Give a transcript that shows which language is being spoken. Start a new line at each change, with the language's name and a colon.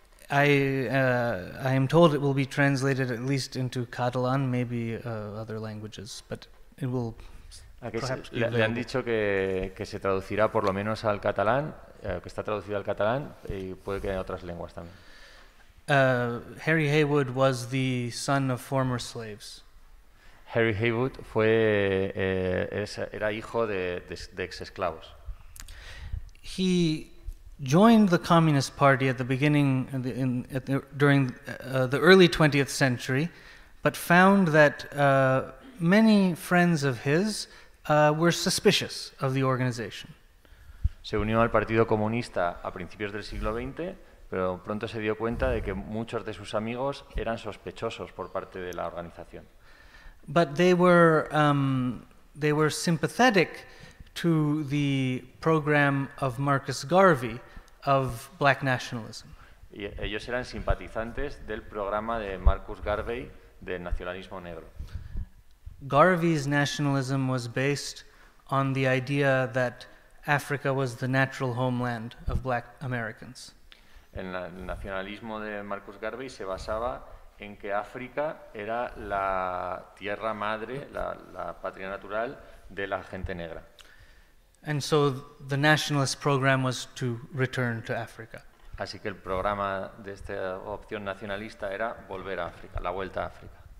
English: I am told it will be translated at least into Catalan, maybe other languages, but it will perhaps.
Spanish: Le han dicho que se traducirá por lo menos al catalán, que está traducido al catalán y puede que en otras lenguas también.
English: Harry Haywood was the son of former slaves.
Spanish: Harry Haywood fue era hijo de exesclavos.
English: He joined the Communist Party at the beginning during the early 20th century, but found that many friends of his were suspicious of the organization.
Spanish: Se unió al Partido Comunista a principios del siglo XX, pero pronto se dio cuenta de que muchos de sus amigos eran sospechosos por parte de la organización.
English: But they were sympathetic to the program of Marcus Garvey of black nationalism.
Spanish: Y ellos eran simpatizantes del programa de Marcus Garvey de nacionalismo negro.
English: Garvey's nationalism was based on the idea that Africa was the natural homeland of black Americans.
Spanish: El nacionalismo de Marcus Garvey se basaba en que África era la tierra madre, la patria natural de la gente negra.
English: And so the nationalist program was to return to Africa.
Spanish: Así que el programa de esta opción nacionalista era volver a África, la vuelta a África.